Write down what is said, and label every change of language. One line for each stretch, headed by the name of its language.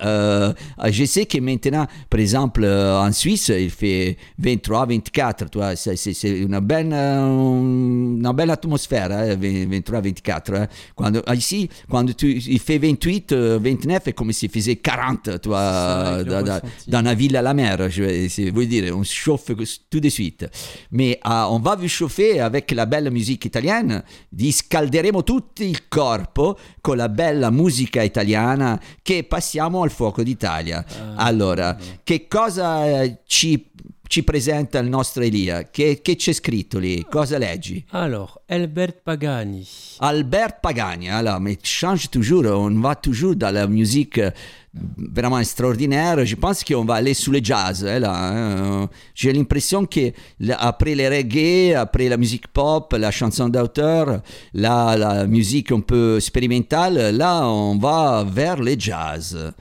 French: Je sais que maintenant, par exemple, en Suisse, il fait 23-24, tu vois, c'est une belle atmosphère, hein, 23-24. Hein. Quand, ici, quand il fait 28-29, c'est comme s'il faisait 40, tu vois, dans la ville à la mer, je veux dire, on se chauffe tout de suite. mais on va vous chauffer avec la belle musique italienne.
Italian: Vi scalderemo tutti il corpo con la bella musica italiana che passiamo al fuoco d'Italia. Allora, che cosa ci presenta il nostro Elia? Che c'è scritto lì? Cosa leggi? Allora, Albert Pagani.
French: Albert Pagani,
Italian: allora, mi
French: change toujours, on va toujours dans la musique vraiment extraordinaire. Je pense qu'on va aller sous le jazz, là. J'ai l'impression que après les reggae, après la musique pop, la chanson d'auteur, là, la musique un peu expérimentale, là, on va vers le jazz.